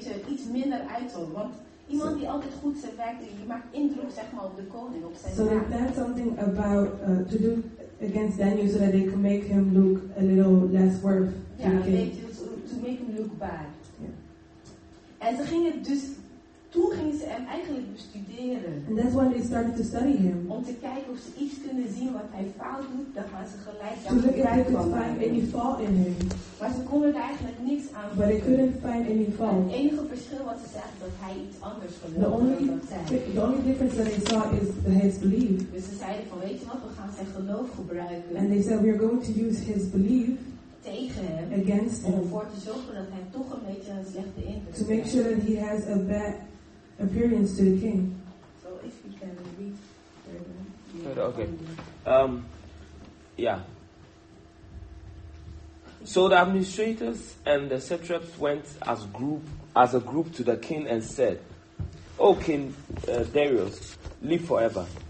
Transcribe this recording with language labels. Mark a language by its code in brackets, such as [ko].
[nl] Iets minder uitrolt. Want iemand die altijd goed zijn werk doet, die maakt indruk zeg maar op de koning, op zijn [en] So they planned something about to do against Daniel so that they can make him look a little less worth. Ja, to make him look bad. Yeah. [nl] En ze gingen dus, toen gingen ze hem eigenlijk bestuderen. [en] And that's when they started to study him. [nl] Om te kijken of ze iets kunnen zien wat hij fout doet, dan gaan ze gelijk aan de kruik van maken. [en] Any fault in him. [nl] Maar ze konden er eigenlijk niks aan [en] doen. But they couldn't find any fault. [nl] Het enige verschil was ze zeggen dat hij iets anders geloofde. [en] The only difference that they saw is his belief. [nl] Dus ze zeiden van, weet je wat, we gaan zijn geloof gebruiken. [en] And they said, we are going to use his belief. [nl] Tegen hem. [en] Against him. [nl] Om ervoor te zorgen dat hij toch een beetje een slechte indruk heeft. [en] To make sure that he has a bad appearance to the king. So if you can read further. Okay. Yeah. So the administrators and the satraps went as a group to the king and said, "O King Darius, live forever.